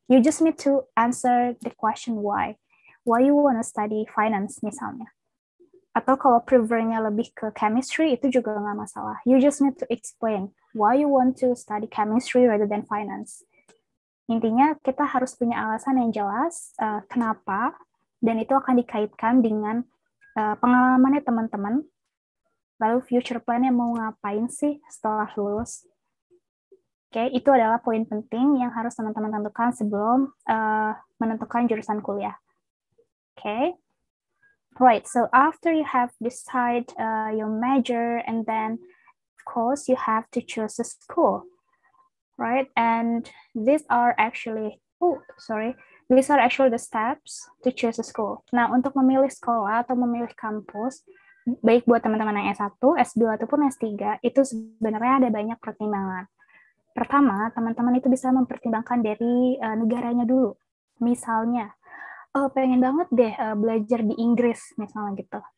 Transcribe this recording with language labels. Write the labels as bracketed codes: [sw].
[en] You just need to answer the question why. Why you wanna study finance [id] misalnya. Atau kalau prefernya lebih ke chemistry, itu juga nggak masalah. [en] You just need to explain why you want to study chemistry rather than finance. [id] Intinya kita harus punya alasan yang jelas kenapa, dan itu akan dikaitkan dengan pengalamannya teman-teman. Lalu future plan-nya mau ngapain sih setelah lulus. Oke, itu adalah poin penting yang harus teman-teman tentukan sebelum menentukan jurusan kuliah. Oke. [en] Right, so after you have decided your major, and then, of course, you have to choose a school, right? And these are actually the steps to choose a school. [id] Nah, untuk memilih sekolah atau memilih kampus, baik buat teman-teman yang S1, S2, ataupun S3, itu sebenarnya ada banyak pertimbangan. Pertama, teman-teman itu bisa mempertimbangkan dari negaranya dulu. Misalnya, pengen banget deh belajar di Inggris misalnya gitu.